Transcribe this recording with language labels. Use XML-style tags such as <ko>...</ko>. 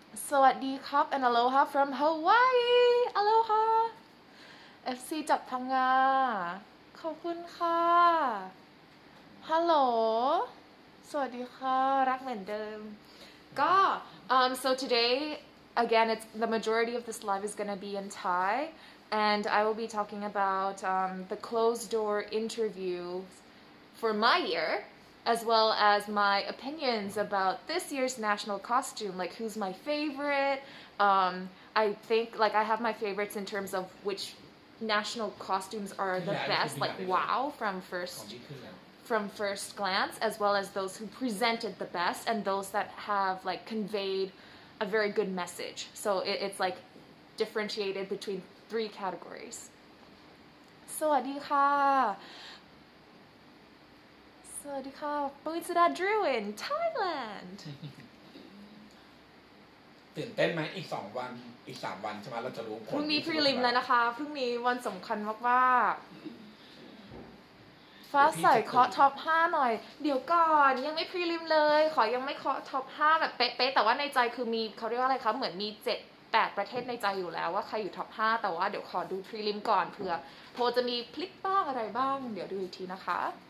<th>สวัสดีครับ</th> <en>and aloha from Hawaii, aloha.</en> <th>FC จากพังงาขอบคุณค่ะ</th> <en>Hello,</en> <th>สวัสดีค่ะรักเหมือนเดิมก็</th> <en>so today, again, it's the majority of this live is gonna be in Thai. And I will be talking about the closed door interview for my year, as well as my opinions about this year's national costume, like who's my favorite. I think like I have my favorites in terms of which national costumes are the best, like wow, from first glance, as well as those who presented the best and those that have like conveyed a very good message. So it's like differentiated between. Three categories.</en> <th>สวัสดีค่ะ สวัสดีค่ะ ปูนสดาดรูอินThailand. ตื่นเต้นไหมอีก2วันอีก3วันใช่ไหมเราจะรู้ผล พรุ่งนี้พรีลิมแล้วนะคะพรุ่งนี้วันสำคัญมากว่าฟ้าใสเคาะท็อป5หน่อยเดี๋ยวก่อนยังไม่พรีลิมเลยขอยังไม่เคาะท็อป5แบบเป๊ะๆแต่ว่าในใจคือมีเขาเรียกว่าอะไรคะเหมือนมี7-8ประเทศในใจอยู่แล้วว่าใครอยู่ท็อป5แต่ว่าเดี๋ยวขอดูพรีลิมก่อนเผื่อโพจะมีพลิกบ้างอะไรบ้างเดี๋ยวดูอีกทีนะคะ</th>